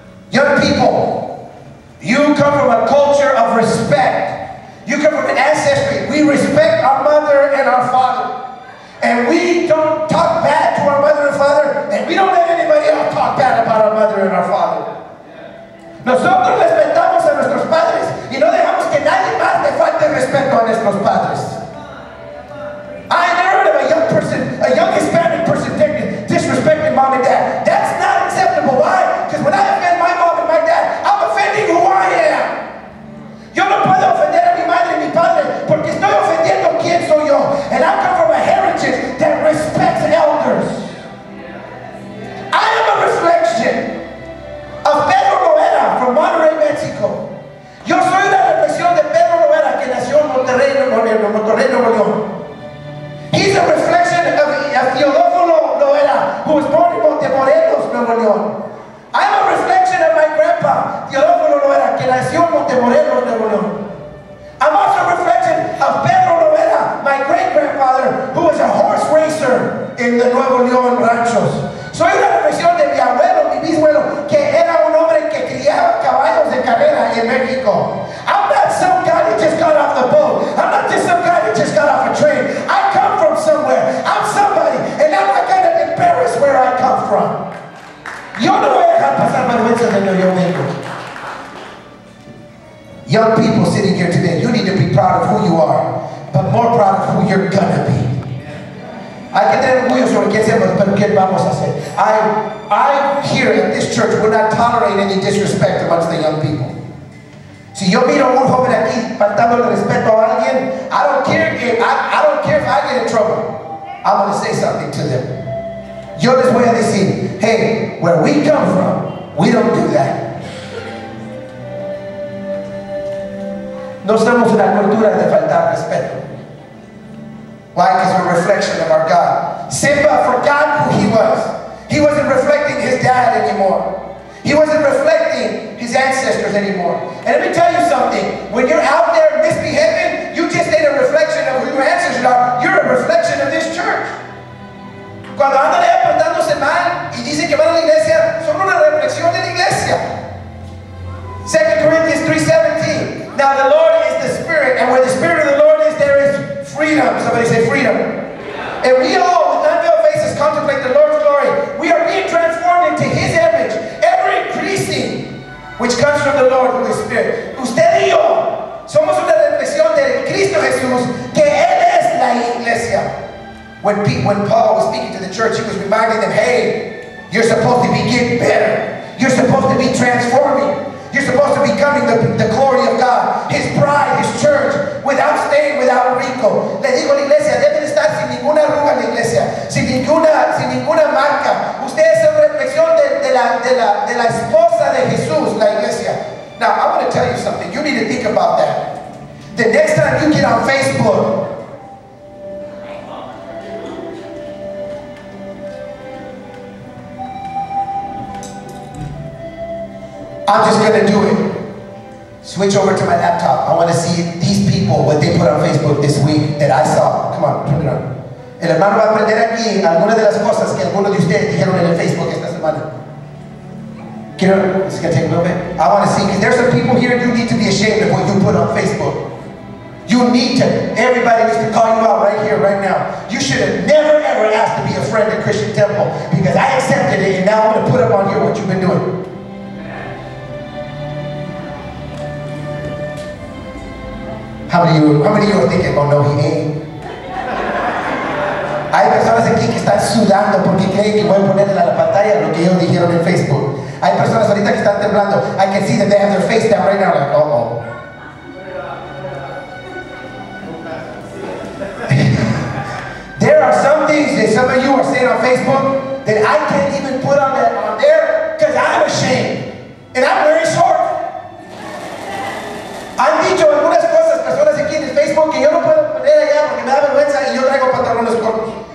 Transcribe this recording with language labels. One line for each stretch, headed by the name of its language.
English: Young people, you come from a culture of respect. You come from an ancestry. We respect our mother and our father. And we don't talk bad to our mother and father. And we don't let anybody else talk bad about our mother and our father.
Spanish: Nosotros respetamos a nuestros padres y no dejamos que nadie más le falte respeto a nuestros padres.
English: I never heard of a young Hispanic person disrespecting mom and dad. That's not acceptable. Why? Because when I offend my mom and my dad, I'm offending who I am.
Spanish: Yo no puedo ofender a mi madre y mi padre porque estoy ofendiendo quién soy yo.
English: And I come from a heritage that respects elders. I am a reflection of Pedro Rivera from Monterrey, Mexico.
Spanish: Yo soy una reflexión de Pedro Rivera que nació en Monterrey, Nuevo León.
English: He's a reflection of Teodófilo Rivera, who was born in Montemorelos, Nuevo León. I'm a reflection of my grandpa, Teodófilo Rivera,
Spanish: que nació en Montemorelos, Nuevo León.
English: I'm also a reflection of Pedro Rivera, my great-grandfather, who was a horse racer in the Nuevo León ranchos.
Spanish: Soy una reflexión de mi abuelo, mi bisabuelo, que era un hombre que criaba caballos de carrera en México.
English: I'm not some guy that just got off the boat. I'm not just some guy that just got off a train. I come from somewhere. I'm somebody. And I'm not going to embarrass where I come from.
Spanish: Yo no voy a dejar pasar vergüenza de donde yo vengo.
English: Young people sitting here today, you need to be proud of who you are, but more proud of who you're going to be.
Spanish: Hay que tener orgullo sobre quién somos, pero ¿qué vamos a hacer?
English: I here at this church will not tolerate any disrespect amongst the young people.
Spanish: Si yo miro un joven aquí faltando el respeto a alguien,
English: I don't care if I get in trouble. I'm going to say something to them.
Spanish: Yo les voy a decir,
English: hey, where we come from, we don't do that.
Spanish: No somos una cultura de faltar respeto.
English: Why? Because we're a reflection of our God. Simba forgot who he was. He wasn't reflecting his dad anymore. He wasn't reflecting his ancestors anymore. And let me tell you something. When you're out there misbehaving, you just ain't a reflection of who your ancestors are. You're a reflection of this church.
Spanish: Cuando andan allá portándose mal y dicen que van a la iglesia, son una reflexión de la iglesia.
English: 2 Corinthians 3:17. Now the Lord is the Spirit, and where the Spirit of the Lord is, there is freedom. Somebody say freedom. And we all, with unveiled faces, contemplate the Lord's glory. We are being transformed into His image, ever increasing, which comes from the Lord, who is Spirit.
Spanish: Usted y yo somos una reflexión de Cristo Jesús, que Él es la iglesia.
English: When Paul was speaking to the church, he was reminding them, hey, you're supposed to be getting better. You're supposed to be transforming. You're supposed to be coming the glory of God, His bride, His church, without stain, without wrinkle.
Spanish: Le digo a la iglesia, deben estar sin ninguna arruga en la iglesia, sin ninguna marca. Ustedes son reflexión de la esposa de Jesús, la iglesia.
English: Now, I'm going to tell you something. You need to think about that. The next time you get on Facebook, I'm just going to do it. Switch over to my laptop. I want to see these people, what they put on Facebook this week that I saw. Come on, turn it on.
Spanish: El hermano va a aprender aquí algunas de las cosas que algunos de ustedes dijeron en el Facebook esta semana.
English: Quiero, it's going to take a little bit. I want to see, because there's some people here, you need to be ashamed of what you put on Facebook. You need to, everybody needs to call you out right here, right now. You should have never, ever asked to be a friend at Christian Temple, because I accepted it, and now I'm going to put up on here what you've been doing. How many of you are thinking, oh no, he ain't?
Spanish: Hay personas aquí que están sudando porque creen que voy a poner en la pantalla lo que ellos dijeron en Facebook. Hay personas ahorita que están temblando.
English: I can see that they have their face down right now. I'm like, uh-oh. There are some things that some of you are saying on Facebook that I can't even put on that on there because I'm ashamed. And I'm very short.
Spanish: Han dicho algunas cosas personas aquí en el Facebook que yo no puedo poner allá porque me da vergüenza y yo traigo pantalones cortos.